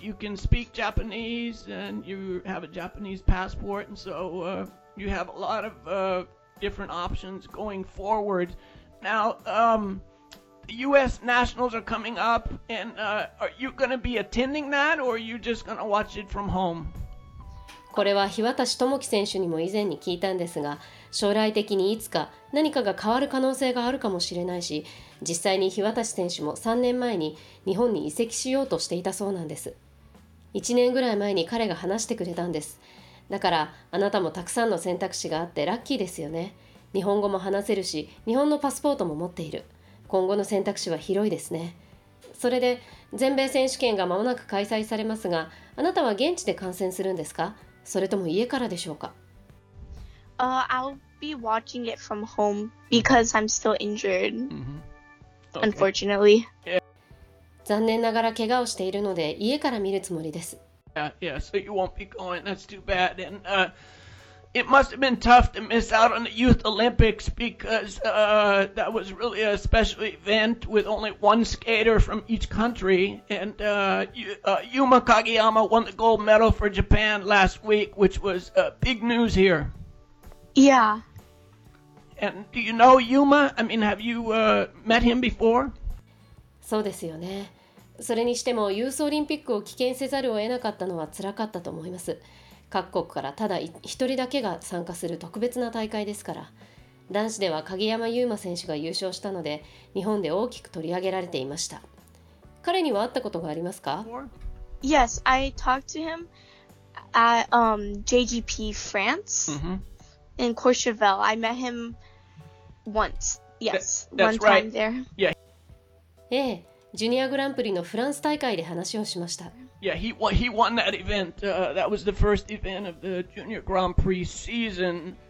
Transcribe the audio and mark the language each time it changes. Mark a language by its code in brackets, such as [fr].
[en] You can speak Japanese and you have a Japanese passport. And so you have a lot of different options going forward. Now, the U.S. Nationals are coming up, and are you going to be attending that, or are you just going to watch it from home? [ja] これは日渡智樹選手にも以前に聞いたんですが、将来的にいつか何かが変わる可能性があるかもしれないし、実際に日渡選手も3年前に日本に移籍しようとしていたそうなんです。 1年ぐらい前に彼が話してくれたんです。だからあなたもたくさんの選択肢があってラッキーですよね。日本語も話せるし、日本のパスポートも持っている。今後の選択肢は広いですね。それで、全米選手権が間もなく開催されますが、あなたは現地で観戦するんですか？それとも家からでしょうか？ [en] I'll be watching it from home because I'm still injured, unfortunately. [ja] 残念ながら怪我をしているので、家から見るつもりです。 [en] Yeah, so you won't be going, that's too bad. And, It must have been tough to miss out on the Youth Olympics because that was really a special event with only one skater from each country. And Yuma Kageyama won the gold medal for Japan last week, which was big news here. Yeah. And do you know Yuma? I mean, have you met him before? [ja] そうですよね。それにしてもユースオリンピックを棄権せざるを得なかったのは辛かったと思います。各国からただ一人だけが参加する特別な大会ですから男子では鍵山優真選手が優勝したので日本で大きく取り上げられていました彼には会ったことがありますか [en] Yes, I talked to him at JGP France in Courchevel. I met him once. Yes, one time there. Yeah. [ja] ええ、ジュニアグランプリのフランス大会で話をしました [en] Yeah, he won that event. That was the first event of the Junior Grand Prix season.